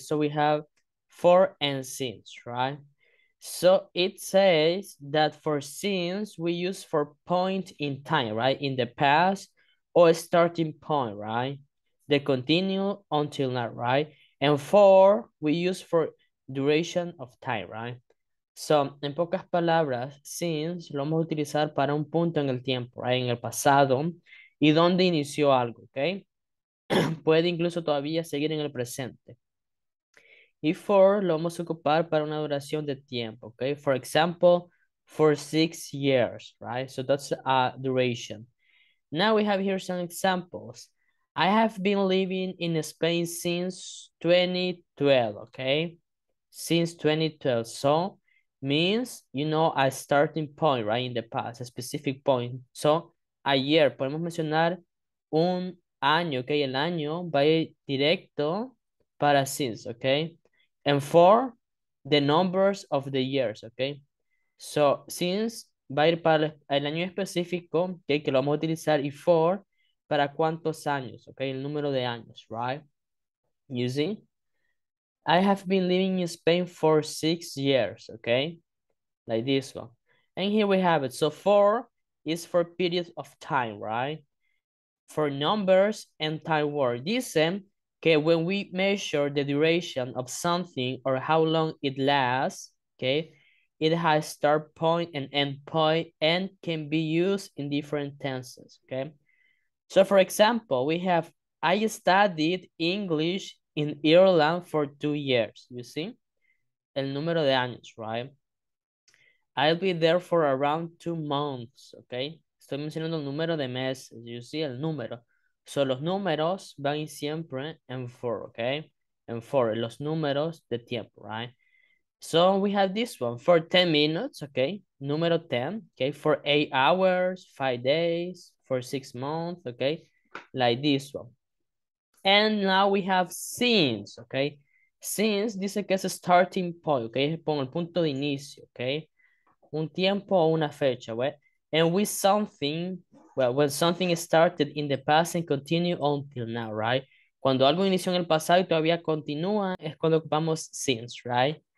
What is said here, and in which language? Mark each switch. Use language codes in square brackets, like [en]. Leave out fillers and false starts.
[en] So we have for and since, right? So it says that for since we use for point in time, right? In the past or a starting point, right? The continue until now, right? And for we use for duration of time, right? [es] So, en pocas palabras, since lo vamos a utilizar para un punto en el tiempo, right? En el pasado, y dónde inició algo, ¿ok? Puede incluso todavía seguir en el presente. Y for lo vamos a ocupar para una duración de tiempo, ¿ok? [en] For example, for 6 years, right? So that's a duration. Now we have here some examples. I have been living in Spain since 2012, ¿ok? Since 2012. So, means, a starting point, right, in the past, a specific point. [es] So, ayer, podemos mencionar un año, okay, el año va a ir directo para since, okay. [en] And for, the numbers of the years, okay. [es] So, since va a ir para el año específico, okay, que lo vamos a utilizar, y for, para cuántos años, okay, el número de años, right. [en] You see? I have been living in Spain for 6 years, okay? Like this one. And here we have it. So, for is for periods of time, right? For numbers and time word. This is okay, when we measure the duration of something or how long it lasts, okay? It has start point and end point and can be used in different tenses, okay? So, for example, we have I studied English in Ireland for 2 years, you see? [es] El número de años, right? [en] I'll be there for around 2 months, okay? [es] Estoy mencionando el número de meses, you see? El número. So los números van siempre en for, okay? En for, los números de tiempo, right? [en] So we have this one for 10 minutes, okay? Número 10, okay? For 8 hours, 5 days, for 6 months, okay? Like this one. And now we have since, okay? [es] Since dice que es [en] a starting point, okay? [es] Es el punto de inicio, okay? Un tiempo o una fecha, ¿ve? [en] And with something, Well, when something started in the past and continue until now, right? [es] Cuando algo inició en el pasado y todavía continúa, es cuando ocupamos since, right?